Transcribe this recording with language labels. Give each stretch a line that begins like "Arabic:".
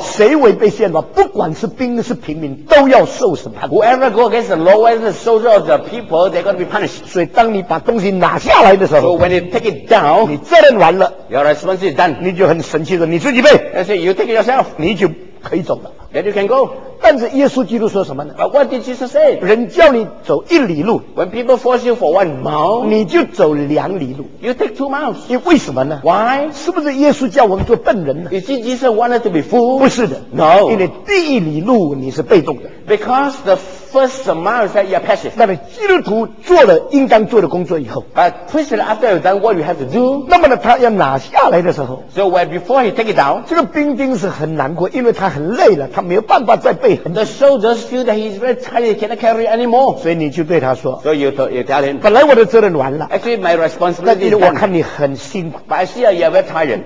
Chinese: 谁违背宪法，不管是兵是平民，都要受审判。
English: Whoever go against the law, whether the soldier or the people, they're going to be punished.
Chinese: 所以当你把东西拿下来的时候
English: ，So when you take it down,
Chinese: 你责任完了
English: ，Your responsibility done.
Chinese: 你就很神气的，你自己背。
English: And say you take it yourself.
Chinese: 你就可以走了。
English: Then you can go.
Chinese: 但是耶稣基督说什么呢
English: ？But what did Jesus say?
Chinese: 人叫你走一里路
English: ，When people force you for 1 mile,
Chinese: 你就走两里路。
English: You take 2 miles.
Chinese: 你为什么呢
English: ？Why?
Chinese: 是不是耶稣叫我们做笨人呢
English: ？Is it Jesus wanted to be fool?
Chinese: 不是的
English: ，No.
Chinese: 因为第一里路你是被动的
English: ，Because the first month that you are passive.
Chinese: 那么基督徒做了应当做的工作以后
English: ，But Christian after you done what you have to do，
Chinese: 那么呢，他要拿下来的时候
English: ，So when before he take it down，
Chinese: 这个兵丁是很难过，因为他很累了，他没有办法再背很
English: 多。The soldiers feel that he's very tired, he cannot carry anymore。
Chinese: 所以你就对他说
English: ，So you tell him，
Chinese: 本来我的责任完了
English: ，Actually my responsibility is done。
Chinese: 那我看你很辛苦
English: ，But I see that you are very tired。